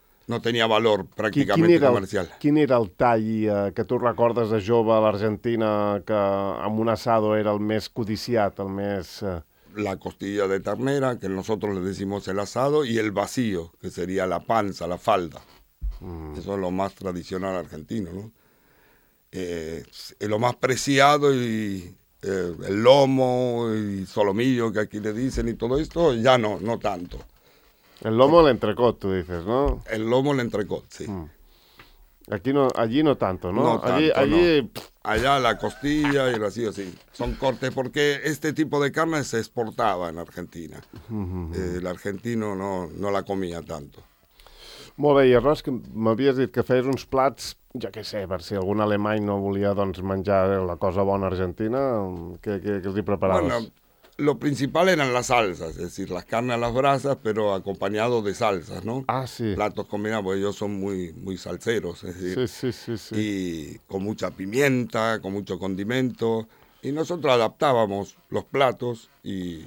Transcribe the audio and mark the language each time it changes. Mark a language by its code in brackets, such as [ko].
[ca] no tenia valor pràcticament comercial. Quin era el tall que tu recordes de jove a l'Argentina que amb un asado era el més codiciat, el més... [es] La costilla de ternera, que nosotros le decimos el asado, y el vacío, que sería la panza, la falda. Mm. Eso es lo más tradicional argentino, ¿no? Es lo más preciado y el lomo y solomillo, que aquí le dicen, y todo esto, ya no, no tanto. El lomo, el entrecot, tú dices, ¿no? El lomo, el entrecot, sí. Mm. Aquí no, allí no tanto, ¿no? No allí, tanto, allí... No. Allá la costilla y el vacío, sí. Son cortes porque este tipo de carne se exportaba en Argentina. Mm-hmm. El argentino no la comía tanto. [ca] Molt bé, i llavors m'havies dit que feies uns plats, ja què sé, per si algun alemany no volia doncs, menjar la cosa bona argentina, què els hi preparaves? [es] Bueno, lo principal eran las salsas, es decir, las carnes a las brasas, pero acompañado de salsas, ¿no? Ah, sí. Platos combinados, porque ellos son muy, muy salseros, es decir. Sí. Y con mucha pimienta, con mucho condimento, y nosotros adaptábamos los platos y...